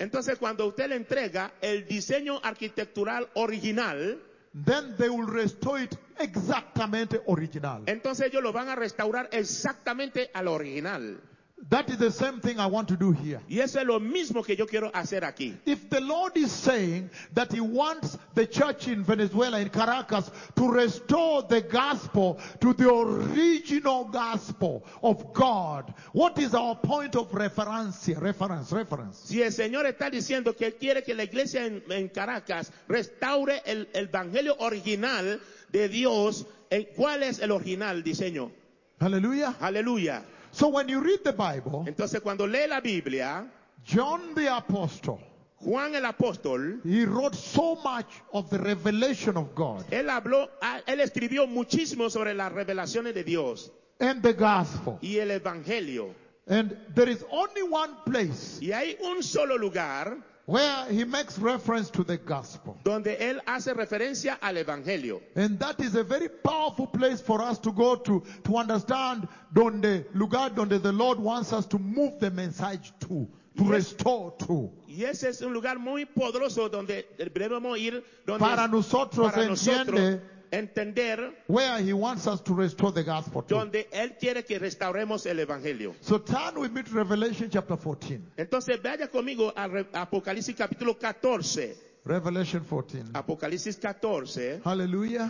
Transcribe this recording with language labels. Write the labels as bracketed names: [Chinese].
[Spanish] Entonces cuando usted le entrega el diseño arquitectural original, [English] then they will restore it [Spanish] exactamente [English] original. [Spanish] Entonces ellos lo van a restaurar exactamente al original. [English] That is the same thing I want to do here. [Spanish] Y eso es lo mismo que yo quiero hacer aquí. [English] If the Lord is saying that he wants the church in Venezuela, in Caracas, to restore the gospel to the original gospel of God, what is our point of reference? [Spanish] Si el Señor está diciendo que él quiere que la iglesia en Caracas restaure el evangelio original de Dios, ¿cuál es el original diseño? [English] Hallelujah. Hallelujah. So when you read the Bible, [Spanish] entonces cuando lee la Biblia, [English] John the Apostle, [Spanish] Juan el Apóstol, [English] he wrote so much of the revelation of God. [Spanish] Él habló, él escribió muchísimo sobre las revelaciones de Dios. [English] And the gospel. [Spanish] Y el evangelio. [English] And there is only one place. [Spanish] Y hay un solo lugar. [English] Where he makes reference to the gospel. [Spanish] Donde él hace referencia al evangelio. [English] And that is a very powerful place for us to go to understand [Spanish] donde, lugar donde [English] the Lord wants us to move the message to restore to. [Spanish] Y ese es un lugar muy poderoso donde debemos ir donde para nosotros entiende entender [English] where he wants us to restore the gospel to. [Spanish] Donde él quiere que restauremos el evangelio. [English] So turn with me to Revelation chapter 14. [Spanish] Entonces vaya conmigo a Apocalipsis capítulo 14. [English] Revelation 14. [Spanish] Apocalipsis 14. [English] Hallelujah.